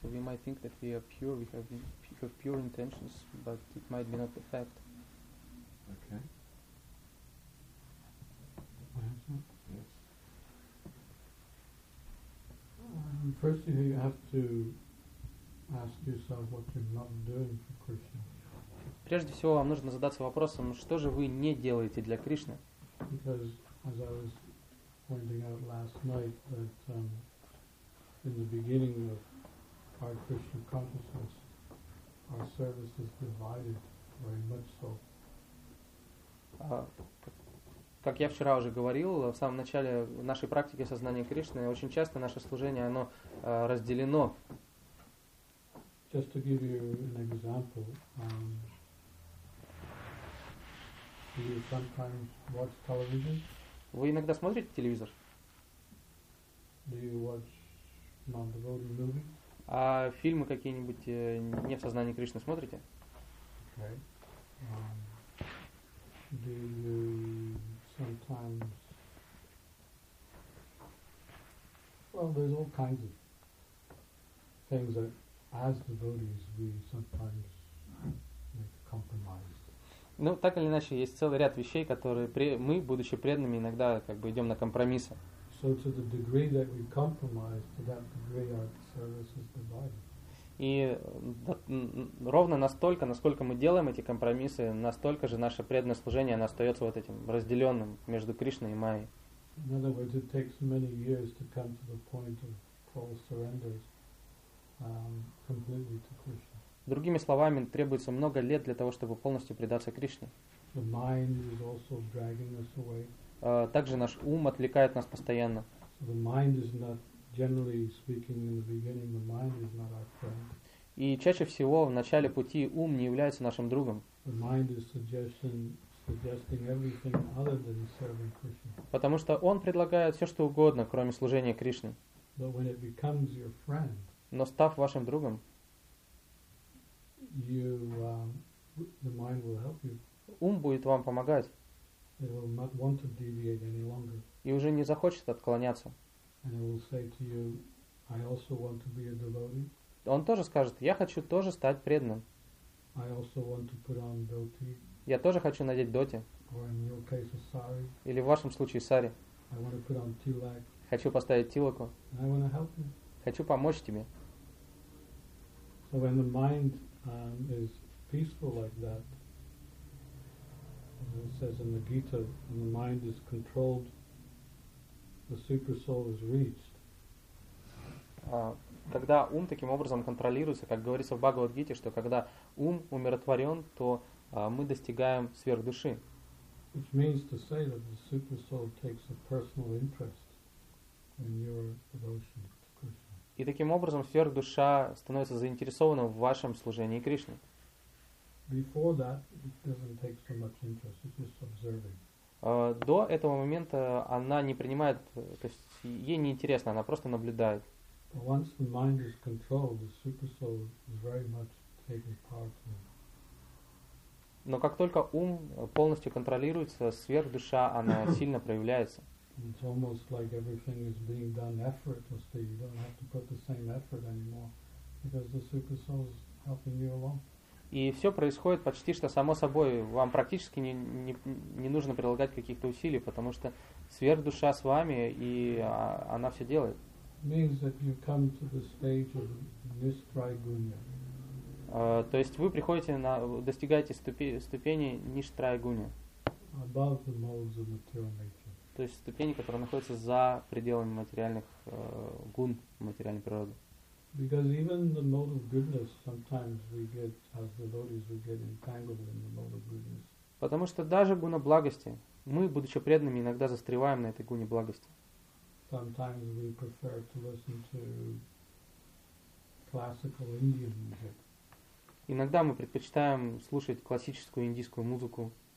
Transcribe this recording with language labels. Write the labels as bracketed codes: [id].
[en] So we might think that we are pure, we have pure intentions, but it might be not the fact. Okay. Yes. First thing you have to ask yourself what you're not doing for Krishna. [ru] Прежде всего вам нужно задаться вопросом, что же вы не делаете для Кришны? [en] Because as I was pointing out last night that in the beginning of our Krishna consciousness, our service is divided very much so. [ru] Как я вчера уже говорил, в самом начале нашей практики сознания Кришны, очень часто наше служение, оно разделено. [en] Just to give you an example, do you sometimes watch television? [ru] Вы иногда смотрите телевизор? [en] Do you watch non-devotee movies? [ru] А фильмы какие-нибудь не в сознании Кришны смотрите? [en] Okay. Do you sometimes... Well, there's all kinds of things that as devotees we sometimes make a compromise. [ru] Ну, так или иначе, есть целый ряд вещей, которые мы, будучи преданными, иногда как бы идем на компромиссы. [en] So to the degree that we compromise, to that degree our service is divided. [ru] И ровно настолько, насколько мы делаем эти компромиссы, настолько же наше преданное служение, оно остается вот этим разделенным между Кришной и Майей. [en] In other words, it takes many years to come to the point of full surrender completely to Krishna. [ru] Другими словами, требуется много лет для того, чтобы полностью предаться Кришне. [en] The mind is also dragging us away. [ru] Также наш ум отвлекает нас постоянно. [en] So the mind is not, generally speaking, in the beginning, the mind is not our friend. [ru] И чаще всего в начале пути ум не является нашим другом. [en] The mind is suggesting everything other than serving Krishna. [ru] Потому что он предлагает все, что угодно, кроме служения Кришне. [en] But when it becomes your friend, [ru] но став вашим другом, [en] The mind will help you. [ru] Ум будет вам помогать. [en] It will not want to deviate any longer. [ru] И уже не захочет отклоняться. [en] And it will say to you, I also want to be a devotee. [ru] Он тоже скажет, я хочу тоже стать преданным. [en] I also want to put on dhoti. [ru] Я тоже хочу надеть доти. [en] Or in your case, a sari. [ru] Или в вашем случае сари. [en] I want to put on tilak. [ru] Хочу поставить тилаку. [en] And I want to help you. [ru] Хочу помочь тебе. [en] So when the mind is peaceful like that. It says in the Gita, when the mind is controlled, the super soul is reached. [ru] Когда ум таким образом контролируется, как говорится в Бхагавад-гите, что когда ум умиротворен, то мы достигаем сверхдуши. [en] Which means to say that the super soul takes a personal interest in your devotion. [ru] И таким образом сверхдуша становится заинтересована в вашем служении Кришне. [en] Before that, it doesn't take so much interest, it's just observing. [ru] До этого момента она не принимает, то есть ей не интересно, она просто наблюдает. [en] But once the mind is controlled, the super soul is very much taking part in it. [ru] Но как только ум полностью контролируется, сверхдуша она сильно проявляется. [en] It's almost like everything is being done effortlessly. You don't have to put the same effort anymore because the super soul is helping you along. [ru] И все происходит почти что само собой. Вам практически не нужно прилагать каких-то усилий, потому что сверхдуша с вами, и она все делает. [en] Means that you come to the stage of Nishtraigunya. [ru] То есть вы приходите на достигаете ступени Nishtraigunya. [en] Above the modes of material nature. [ru] То есть ступени, которые находятся за пределами материальных гун, материальной природы. [en] Because even the mode of goodness, sometimes we get, as devotees, we get entangled in the mode of goodness. [ru] Потому что даже гуна благости, мы, будучи преданными, иногда застреваем на этой гуне благости. [en] Sometimes we prefer to listen to classical Indian music. [ru] Иногда мы предпочитаем слушать классическую индийскую музыку.